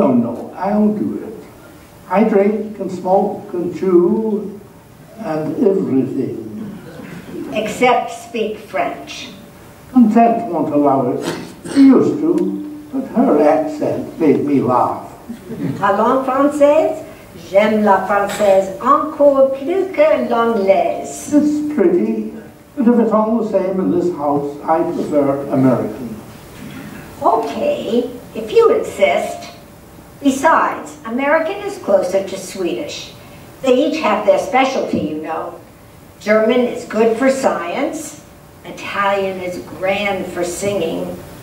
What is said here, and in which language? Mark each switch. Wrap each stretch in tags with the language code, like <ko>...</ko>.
<en>No, no, I'll do it. I drink and smoke and chew and everything. Except speak French. Content won't allow it. She used to, but her accent made me laugh.</en> <fr>Parlons française? J'aime la française encore plus que l'anglaise.</fr> <en>It's pretty, but if it's all the same in this house, I prefer American. Okay, if you insist. Besides, American is closer to Swedish. They each have their specialty, you know. German is good for science. Italian is grand for singing.</en>